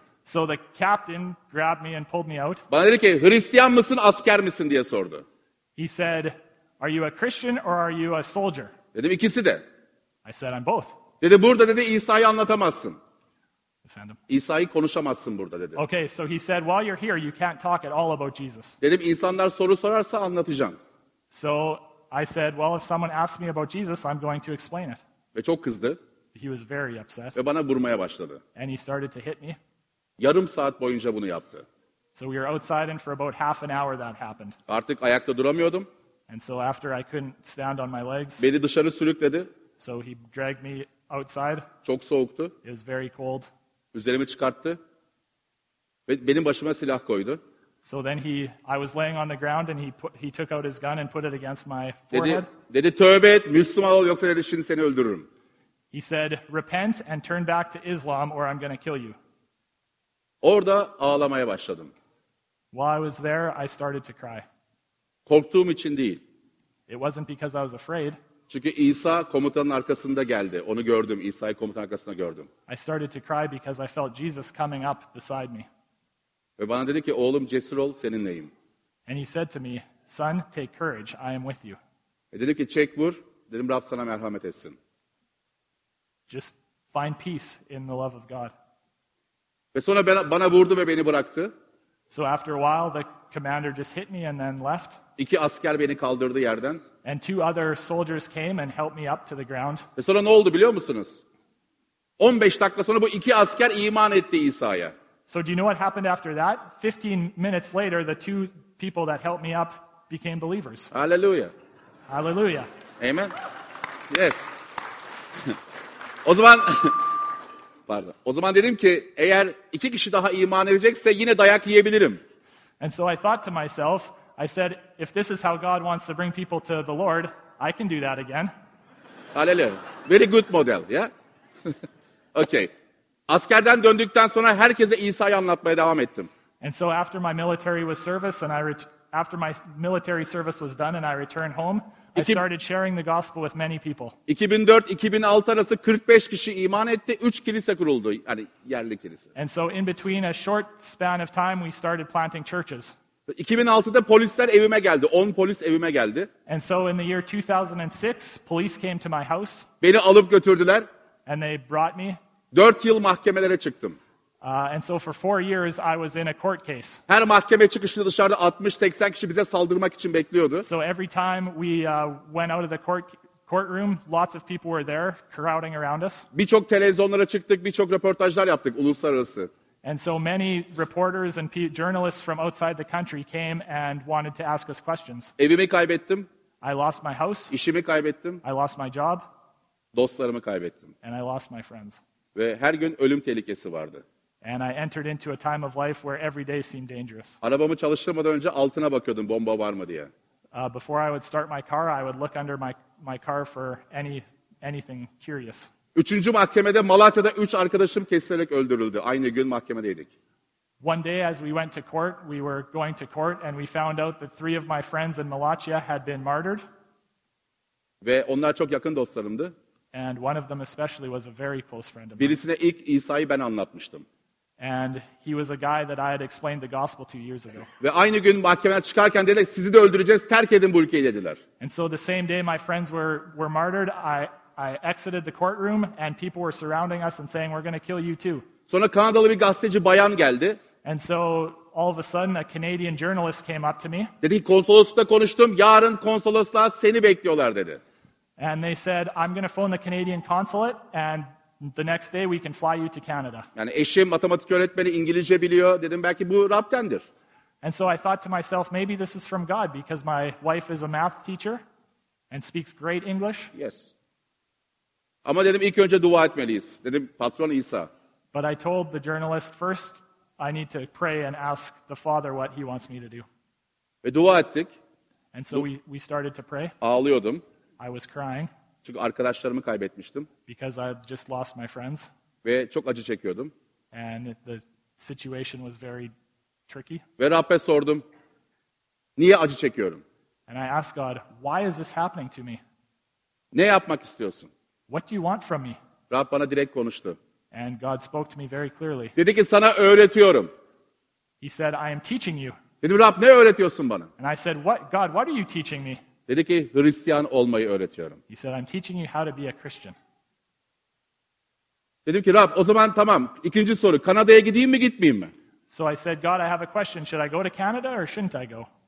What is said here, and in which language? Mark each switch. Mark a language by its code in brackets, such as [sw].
[en] So the captain grabbed me and pulled me out. [tr] Bana dedi ki, Hristiyan mısın, asker misin diye sordu. [en] He said, are you a Christian or are you a soldier? [tr] Dedim ikisi de. [en] I said, I'm both. [tr] Dedi burada dedi İsa'yı anlatamazsın. Efendim. İsa'yı konuşamazsın burada dedi. [en] Okay, so he said, while you're here, you can't talk at all about Jesus. [tr] Dedim insanlar soru sorarsa anlatacağım. [en] So I said, well, if someone asks me about Jesus, I'm going to explain it. [tr] Ve çok kızdı. [en] He was very upset. [tr] Ve bana vurmaya başladı. [en] And he started to hit me. [tr] Yarım saat boyunca bunu yaptı. [en] So we were outside and for about half an hour that happened. [tr] Artık ayakta duramıyordum. [en] And so after I couldn't stand on my legs. [tr] Beni dışarı sürükledi. [en] So he dragged me outside. [tr] Çok soğuktu. [en] It was very cold. [tr] Üzerimi çıkarttı. Ve benim başıma silah koydu. [en] So then I was laying on the ground and he took out his gun and put it against my forehead. [tr] Dedi tövbe et, Müslüman ol yoksa dedi şimdi seni öldürürüm. [en] He said, repent and turn back to Islam or I'm going to kill you. [tr] Orada ağlamaya başladım. [en] While I was there, I started to cry. [tr] Korktuğum için değil. [en] It wasn't because I was afraid. [tr] Çünkü İsa komutanın arkasında geldi. Onu gördüm. İsa'yı komutanın arkasında gördüm. [en] I started to cry because I felt Jesus coming up beside me. [tr] Ve bana dedi ki, oğlum cesur ol, seninleyim. [en] And he said to me, son, take courage, I am with you. [tr] Ve dedi ki, çek vur. Dedim, Rab sana merhamet etsin. [en] Just find peace in the love of God. [tr] Ve sonra bana vurdu ve beni bıraktı. [en] So after a while the commander just hit me and then left. [tr] İki asker beni kaldırdı yerden. [en] And two other soldiers came and helped me up to the ground. [tr] Ve sonra ne oldu biliyor musunuz? 15 dakika sonra bu iki asker iman etti İsa'ya. [en] So do you know what happened after that? 15 minutes later, the two people that helped me up became believers. Hallelujah. Hallelujah. [tr] Amen. [en] Yes. [tr] O zaman pardon. O zaman dedim ki eğer iki kişi daha iman edecekse yine dayak yiyebilirim. [en] And so I thought to myself, I said, if this is how God wants to bring people to the Lord, I can do that again. Hallelujah. Very good model, yeah? Okay. [tr] Askerden döndükten sonra herkese İsa'yı anlatmaya devam ettim. [en] And so after my military was service and I after my military service was done and I returned home, I started sharing the gospel with many people. [tr] 2004-2006 arası 45 kişi iman etti. 3 kilise kuruldu, yani yerli kilise. [en] And so in between a short span of time we started planting churches. [tr] 2006'da polisler evime geldi. 10 polis evime geldi. [en] And so in the year 2006, police came to my house. [tr] Beni alıp götürdüler. [en] And they brought me. [tr] 4 yıl mahkemelere çıktım. [en] And so for 4 years I was in a court case. [tr] Her mahkeme çıkışında dışarıda 60-80 kişi bize saldırmak için bekliyordu. [en] So every time we went out of the courtroom, lots of people were there crowding around us. [tr] Birçok televizyonlara çıktık, birçok röportajlar yaptık uluslararası. [en] And so many reporters and journalists from outside the country came and wanted to ask us questions. [tr] Evimi kaybettim. [en] I lost my house. [tr] İşimi kaybettim. [en] I lost my job. [tr] Dostlarımı kaybettim. [en] And I lost my friends. [tr] Ve her gün ölüm tehlikesi vardı. [en] And I entered into a time of life where every day seemed dangerous. [tr] Arabamı çalıştırmadan önce altına bakıyordum bomba var mı diye. [en] Before I would start my car, I would look under my car for anything curious. [tr] Üçüncü mahkemede Malatya'da 3 arkadaşım kesilerek öldürüldü. Aynı gün mahkemedeydik. [en] One day as we went to court, we were going to court and we found out that 3 of my friends in Malatya had been martyred. [tr] Ve onlar çok yakın dostlarımdı. [en] And one of them especially was a very close friend of mine. [tr] Birisine ilk İsa'yı ben anlatmıştım. [en] And he was a guy that I had explained the gospel 2 years ago. [tr] Ve aynı gün mahkemeden çıkarken dediler sizi de öldüreceğiz terk edin bu ülkeyi dediler. [en] And so the same day my friends were martyred, I exited the courtroom and people were surrounding us and saying we're going to kill you too. [tr] Sonra Kanadalı bir gazeteci bayan geldi. [en] And so all of a sudden a Canadian journalist came up to me. [tr] Dedi konsoloslukta konuştum yarın konsolosluğa seni bekliyorlar dedi. [en] And they said I'm going to phone the Canadian consulate and the next day we can fly you to Canada. [tr] Yani eşim matematik öğretmeni İngilizce biliyor dedim belki bu Rab'tendir. [en] And so I thought to myself maybe this is from God because my wife is a math teacher and speaks great English. Yes. [tr] Ama dedim ilk önce dua etmeliyiz. Dedim patron İsa. [en] But I told the journalist first I need to pray and ask the Father what he wants me to do. [tr] Ve dua ettik. [en] And so we started to pray. [tr] Ağlıyordum. [en] I was crying. [tr] Çünkü arkadaşlarımı kaybetmiştim. [en] Because I had just lost my friends. [tr] Ve çok acı çekiyordum. [en] And the situation was very tricky. [tr] Ve Rab'be sordum. Niye acı çekiyorum? [en] And I asked God, why is this happening to me? [tr] Ne yapmak istiyorsun? [en] What do you want from me? [tr] Rab bana direkt konuştu. [en] And God spoke to me very clearly. [tr] Dedi ki sana öğretiyorum. [en] He said, I am teaching you. [tr] Dedim Rab ne öğretiyorsun bana? [en] And I said, what, God, what are you teaching me? [tr] Dedi ki Hristiyan olmayı öğretiyorum. [en] He said, I'm teaching you how to be a Christian. [tr] Dedim ki Rab o zaman tamam. İkinci soru Kanada'ya gideyim mi gitmeyeyim mi? [en] So I said, God, I have a question. Should I go to Canada or shouldn't I go?